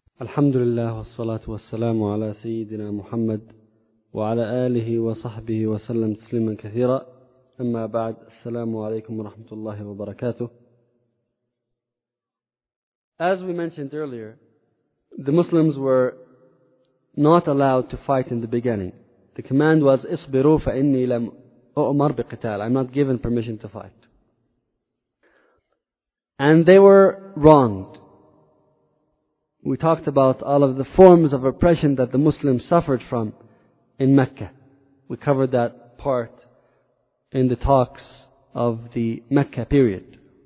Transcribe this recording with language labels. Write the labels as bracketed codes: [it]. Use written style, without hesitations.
[ar] الحمد لله والصلاة والسلام على سيدنا محمد وعلى آله وصحبه وسلم تسليما كثيرا. أما بعد، السلام عليكم ورحمة الله وبركاته. [en] As we mentioned earlier, the Muslims were not allowed to fight in the beginning. The command was [ar] اصبروا فإني لم أؤمر بقتال. [en] I'm not given permission to fight. And they were wronged. We talked about all of the forms of oppression that the Muslims suffered from in Mecca. We covered that part in the talks of the Mecca period.